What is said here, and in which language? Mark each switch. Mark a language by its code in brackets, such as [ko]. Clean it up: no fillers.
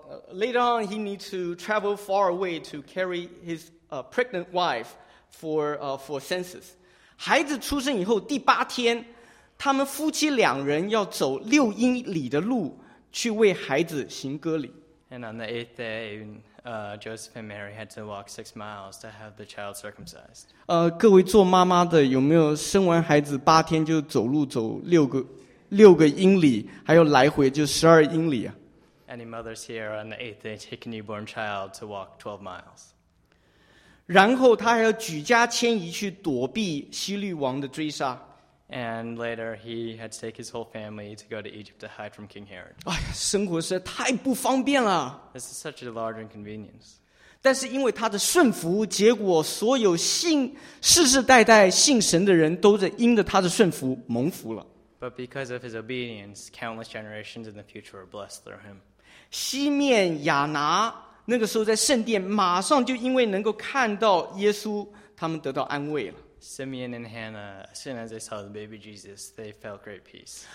[en] Later on, he needs to travel far away to carry his pregnant wife for census. [zh] 孩子出生以后第八天，他们夫妻两人要走六英里的路去为孩子行割礼。 [en] And on the eighth day, Joseph and Mary had to walk 6 miles to have the child circumcised. [zh] 各位做妈妈的有没有生完孩子八天就走路走六个英里，还有来回就12英里啊？ [en] Any mothers here on the eighth day take a newborn child to walk 12 miles. [zh] 然后他还要举家迁移去躲避希律王的追杀。 [en] And later he had to take his whole family to go to Egypt to hide from King Herod. [zh] 哎呀，生活实在太不方便了。 [en] This is such a large inconvenience. [zh] 但是因为他的顺服，结果所有信世世代代信神的人都在因着他的顺服蒙福了。 [en] But because of his obedience, countless generations in the future are blessed through him. [zh] 西面亚拿那个时候在圣殿，马上就因为能够看到耶稣，他们得到安慰了。 [en] Simeon and Hannah, as soon as they saw the baby Jesus, they felt great peace.